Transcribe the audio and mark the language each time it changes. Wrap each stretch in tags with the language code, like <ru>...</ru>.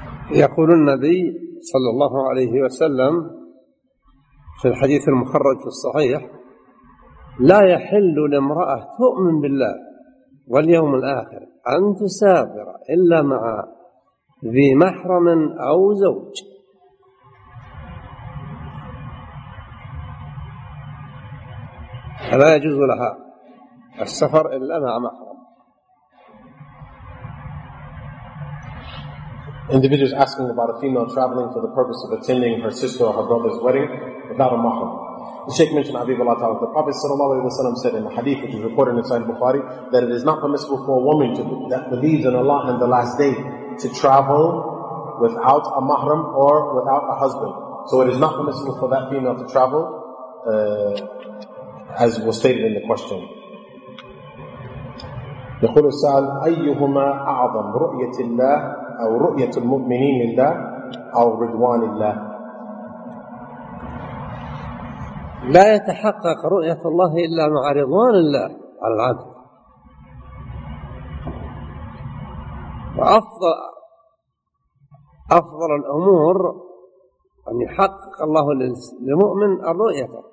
<ar>يقول النبي صلى الله عليه وسلم في الحديث المخرج في الصحيح، لا يحل لامرأة تؤمن بالله واليوم الآخر أن تسافر إلا مع ذي محرم أو زوج. فلا يجوز لها السفر إلا مع محرم.</ar> <en>Individuals asking about a female traveling for the purpose of attending her sister or her brother's wedding without a mahram. The Shaykh mentioned Habib Allah Ta'ala, the Prophet Sallallahu Alaihi Wasallam said in the hadith which is recorded in Sahih Bukhari that it is not permissible for a woman that believes in Allah and the last day to travel without a mahram or without a husband. So it is not permissible for that female to travel as was stated in the question.</en> <ar>يقول السائل أيهما أعظم رؤية الله أو رؤية المؤمنين لله أو رضوان الله؟ لا يتحقق رؤية الله إلا مع رضوان الله على العبد، وأفضل الأمور أن يحقق الله للمؤمن الرؤية</ar>